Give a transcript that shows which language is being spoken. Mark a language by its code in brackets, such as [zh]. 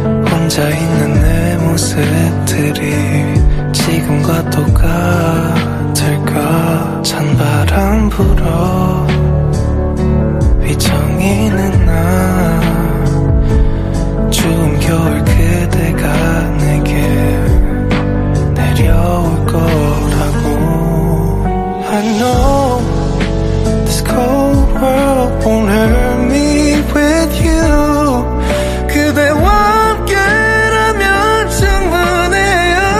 [ko] 혼자 있는 내 모습들이 지금과 똑같을까. 찬바람 불어 휘청이는 나 추운 겨울 그대가 내게 내려올 거라고. [en] I know this cold world won't hurt me. With you, [ko] 그대와 함께라면 충분해요.